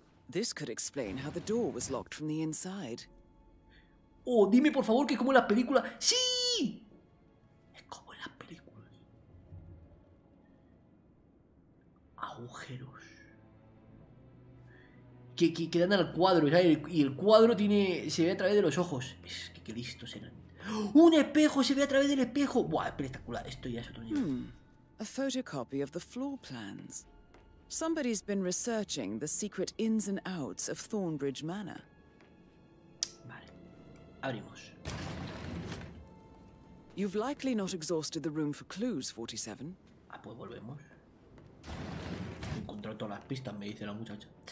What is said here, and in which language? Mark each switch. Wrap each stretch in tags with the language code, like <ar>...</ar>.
<en>This could explain how the door was locked from the inside.</en> <es>¡Oh, dime por favor que es como en las películas! ¡Sí! Es como en las películas. Agujeros. Que dan al cuadro, ¿sabes? Y el cuadro tiene, se ve a través de los ojos. Es que qué listos eran. ¡Un espejo! ¡Se ve a través del espejo! ¡Buah, espectacular! Esto ya es otro nivel.</es> <en>A photocopy of the floor plans. Somebody's been researching the secret ins and outs of Thornbridge Manor.</en> <es>Vale. Abrimos.</es> <en>You've likely not exhausted the room for clues, 47.</en> <es>Ah, pues volvemos. He encontrado todas las pistas, me dice la muchacha.</es>